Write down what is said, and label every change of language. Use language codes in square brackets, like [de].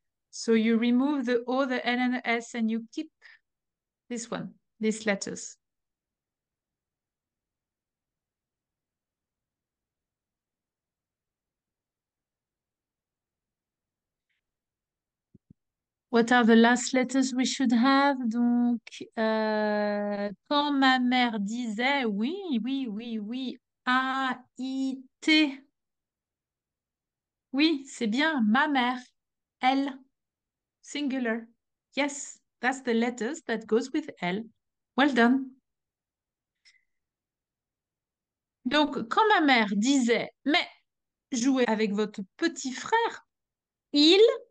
[en] So you remove the O, the N and the S and you keep this one, these letters. What are the last letters we should have? [fr] Donc, quand ma mère disait oui, A-I-T. Oui, c'est bien, ma mère, elle, singular. [en] Yes, that's the letters that goes with L. Well done. [fr] Donc, quand ma mère disait, mais jouez avec votre petit frère, il...